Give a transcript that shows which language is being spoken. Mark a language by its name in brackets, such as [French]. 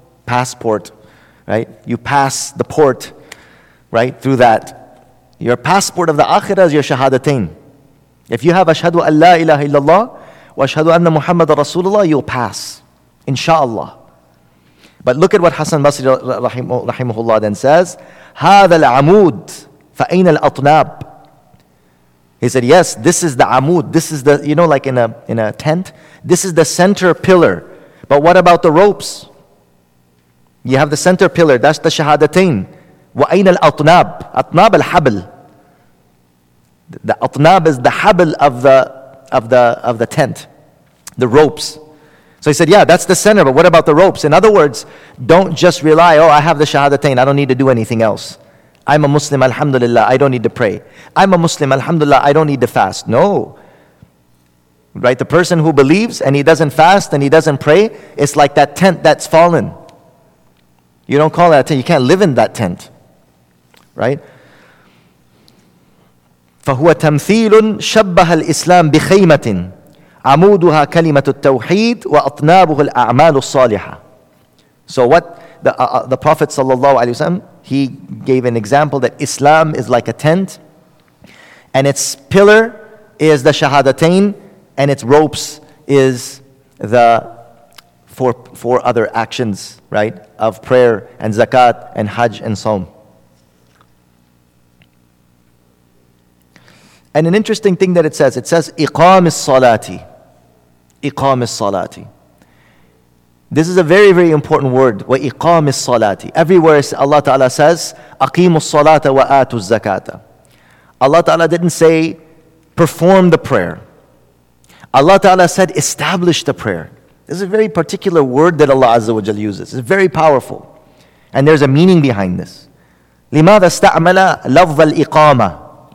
[English] Passport, right? You pass the port, right, through that. Your passport of the akhirah is your shahadatain. If you have ashhadu an la ilaha illallah wa ashhadu anna Muhammad Rasulullah, you'll pass, inshallah. But look at what Hassan Basri rahimahullah then says. [Arabic] هذا العمود فأين الأطناب. [English] He said, yes, this is the amud. This is the, you know, like in a tent. This is the center pillar. But what about the ropes? You have the center pillar. That's the shahadatain. [Arabic] وأين الأطناب. أطناب الحبل. [English] The atnab is the habl of the tent, the ropes. So he said, yeah, that's the center, but what about the ropes? In other words, don't just rely, oh, I have the shahadatain, I don't need to do anything else. I'm a Muslim, alhamdulillah, I don't need to pray. I'm a Muslim, alhamdulillah, I don't need to fast. No. Right? The person who believes and he doesn't fast and he doesn't pray, it's like that tent that's fallen. You don't call that a tent, you can't live in that tent. Right? [Arabic] فهو تمثيل شبه الإسلام بخيمة عمودها كلمة التوحيد وأطنابه الأعمال الصالحة. [English] So what the Prophet sallallahu alaihi wasallam, he gave an example that Islam is like a tent, and its pillar is the shahadatain, and its ropes is the four other actions, right, of prayer and zakat and hajj and sawm. And an interesting thing that it says, [Arabic] إقام الصلاتي. إقام الصلاتي. [English] This is a very, very important word. [Arabic] وإقام الصلاتي. [English] Everywhere Allah Ta'ala says, [Arabic] أقيم الصلاة وآت الزكاة. [English] Allah Ta'ala didn't say, perform the prayer. Allah Ta'ala said, establish the prayer. This is a very particular word that Allah Azza wa Jal uses. It's very powerful. And there's a meaning behind this. [Arabic] لماذا استعمل لفظ الإقامة?